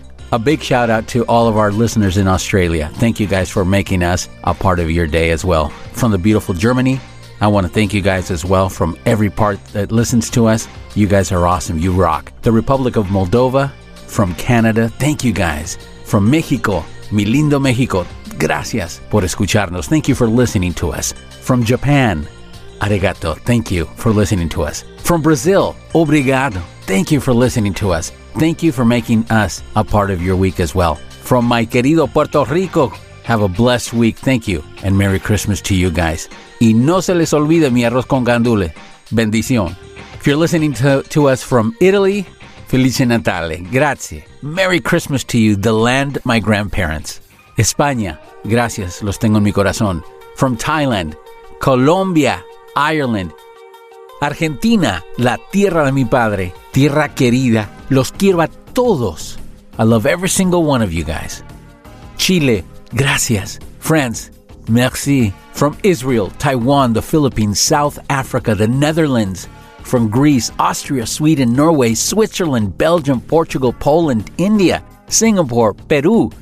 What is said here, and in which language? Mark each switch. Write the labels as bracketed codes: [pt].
[en] A big shout out to all of our listeners in Australia. Thank you guys for making us a part of your day as well. From the beautiful Germany, I want to thank you guys as well. From every part that listens to us, you guys are awesome. You rock. The Republic of Moldova, from Canada, thank you guys. From Mexico, [es] mi lindo Mexico, gracias por escucharnos. [en] Thank you for listening to us. From Japan, arigato, thank you for listening to us. From Brazil, obrigado, thank you for listening to us. Thank you for making us a part of your week as well. From my querido Puerto Rico, have a blessed week. Thank you, and Merry Christmas to you guys. [es] Y no se les olvide mi arroz con gandule. Bendición. [en] If you're listening to us from Italy, [it] Felice Natale, grazie. [en] Merry Christmas to you, the land my grandparents. [es] España, gracias, los tengo en mi corazón. [en] From Thailand, Colombia, Ireland. [es] Argentina, la tierra de mi padre, tierra querida. Los quiero a todos. [en] I love every single one of you guys. Chile, gracias. France, merci. From Israel, Taiwan, the Philippines, South Africa, the Netherlands. From Greece, Austria, Sweden, Norway, Switzerland, Belgium, Portugal, Poland, India, Singapore, Peru.